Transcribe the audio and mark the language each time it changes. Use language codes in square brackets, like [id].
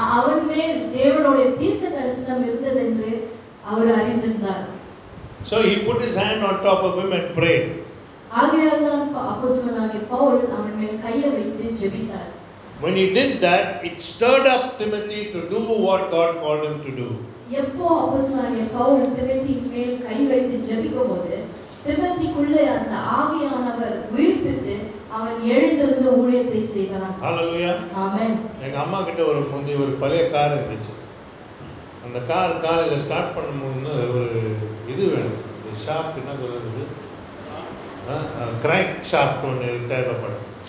[ta] அவர் மேல் தேவனுடைய தீர்க்க தரிசனம் இருந்தது என்று அவர் அறிந்திருந்தார். [en] So he put his hand on top of him and prayed. [ta] ஆகையால் அப்போஸ்தலனாகிய பவுல் அவன் மேல் கையை வைத்து ஜெபித்தார். [en] When he did that, it stirred up Timothy to do what God called him to do. எப்போ அப்போஸ்தலனாகிய பவுல் திமோத்தியின் மேல் கை வைத்து ஜெபிக்கும்போது திமோத்திக்குள்ளே அந்த ஆவியானவர் உயிர்ப்பித்து அவன் எழுந்திருந்த ஊழியத்தை செய்தான். Hallelujah. Amen. [ta] எங்க அம்மா கிட்ட ஒரு முந்தி ஒரு பழைய கார் இருந்துச்சு. அந்த கார் காலையில் ஸ்டார்ட் பண்ணும்போது ஒரு இது வேணும், ஷாஃப்ட் என்ன சொல்கிறது, கிராங்க் ஷாஃப்ட் ஒன்று தேவைப்படும்.